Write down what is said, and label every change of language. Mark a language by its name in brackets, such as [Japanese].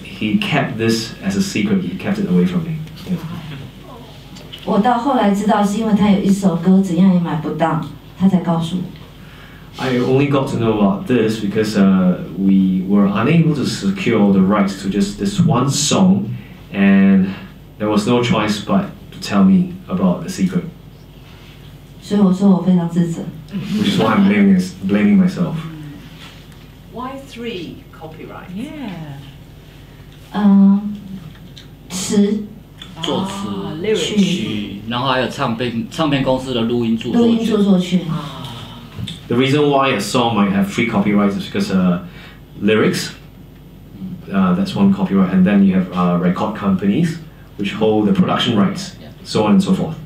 [English] He kept this as a secret. He kept it away from me. [Chinese] 我到后来知道是因为他有一首歌怎样也买不到，他才告诉我。 [English] I only got to know about this because we were unable to secure the rights to just this one song, and there was no choice but to tell me about the secret. [Chinese] 所以我说我非常自责。 [English] Which is why I'm blaming myself. Why 3 copyrights? Yeah. [Chinese] 词，作词， [English] lyrics， [Chinese] 然后还有唱片公司的录音著作权。录音著作权。 [English] The reason why a song might have 3 copyrights is because lyrics. That's one copyright, and then you have record companies which hold the production rights, so on and so forth.